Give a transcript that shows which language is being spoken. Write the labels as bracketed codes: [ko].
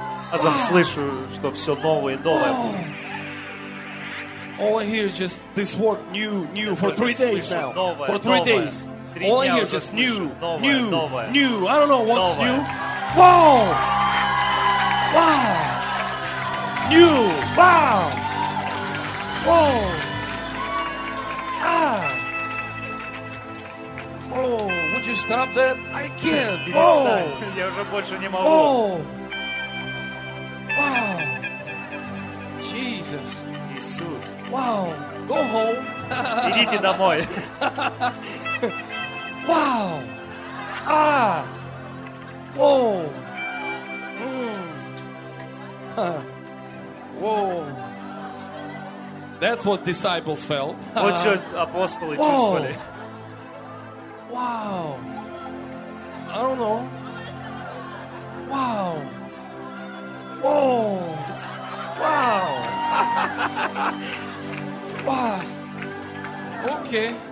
[ru] Азам слышу, что все новое и новое будет. [en] All I hear is just this word new for three days now. For three days. All I hear is just new. I don't know what's new. Wow! Wow! New! Wow! Wow! Ah! Oh, would you stop that? I can't. Whoa! [ru] Я уже больше не могу. [en] Wow. Jesus. [ru] Иисус. [en] Wow. Go home. [ru] Идите домой. [en] Wow. Ah. Whoa. Whoa. That's what disciples felt. [ru] Вот что апостолы чувствовали. [en] Wow. I don't know. Wow. Wow! Wow! Wow! Okay.